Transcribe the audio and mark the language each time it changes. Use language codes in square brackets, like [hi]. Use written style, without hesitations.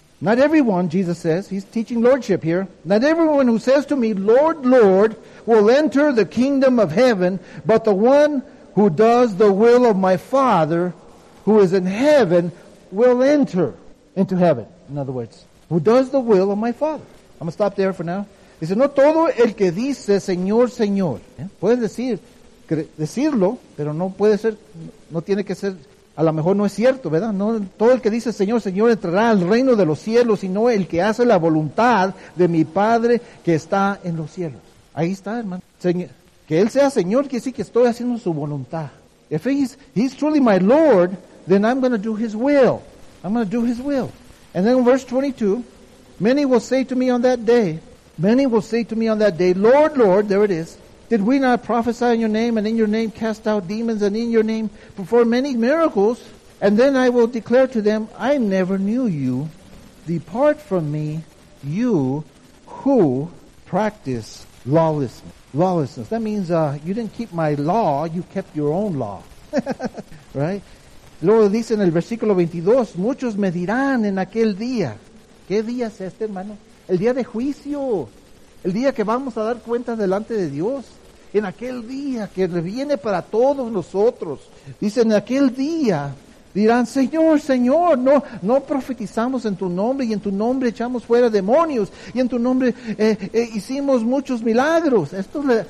[en] Not everyone, Jesus says, he's teaching lordship here. Not everyone who says to me, Lord, Lord, will enter the kingdom of heaven, but the one who does the will of my Father, who is in heaven, will enter into heaven. In other words, who does the will of my Father. I'm going to stop there for now. [es] Dice, no todo el que dice Señor, Señor. ¿Eh? Puedes decirlo, pero no puede ser, no tiene que ser, a lo mejor no es cierto, ¿verdad? No todo el que dice Señor, Señor entrará al reino de los cielos, sino el que hace la voluntad de mi Padre que está en los cielos. Ahí está, hermano. Señor, que Él sea Señor, que sí que estoy haciendo su voluntad. [en] If he's truly my Lord, then I'm going to do His will. I'm going to do His will. And then verse 22, many will say to me on that day, many will say to me on that day, Lord, Lord, there it is. Did we not prophesy in your name and in your name cast out demons and in your name perform many miracles? And then I will declare to them, I never knew you. Depart from me, you who practice lawlessness. Lawlessness. That means you didn't keep my law, you kept your own law. Right? [es] Luego dice en el versículo 22, muchos me dirán en aquel día. ¿Qué día es este, hermano? El día de juicio, el día que vamos a dar cuenta delante de Dios, en aquel día que viene para todos nosotros. Dice, en aquel día dirán, Señor, Señor, no profetizamos en tu nombre y en tu nombre echamos fuera demonios y en tu nombre hicimos muchos milagros. Esto